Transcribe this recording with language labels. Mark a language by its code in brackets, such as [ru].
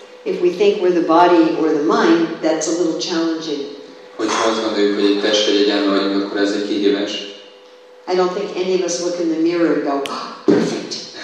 [en] If we think we're the body or the mind, that's a little challenging. [hu] Hogyha azt gondoljuk, hogy egy test vagy egy elme vagyunk, akkor ez egy kihívás. [en] I don't think any of us look in the mirror and go, oh, perfect.